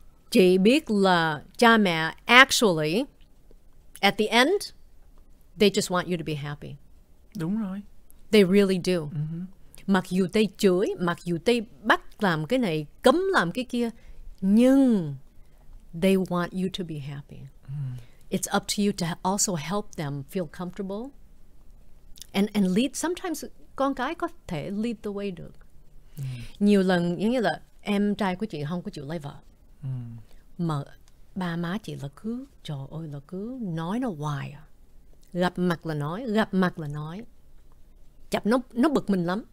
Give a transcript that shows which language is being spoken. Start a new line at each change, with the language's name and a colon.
Vietnamese: Chị biết là cha mẹ
English: actually, at the end, they just want you to be happy.
Vietnamese: Đúng rồi.
English: They really do. Mm-hmm.
Vietnamese: Mặc dù tay chửi, mặc dù tay bắt làm cái này, cấm làm cái kia, nhưng
English: they want you to be happy. It's up to you to also help them feel comfortable and lead. Sometimes
Vietnamese: con cái có thể
English: lead the way
Vietnamese: được. Nhiều lần giống như là em trai của chị không có chịu lấy vợ. Mà ba má chị là cứ, trời ơi, là cứ nói nó hoài à. Gặp mặt là nói, gặp mặt là nói. Chập nó bực mình lắm.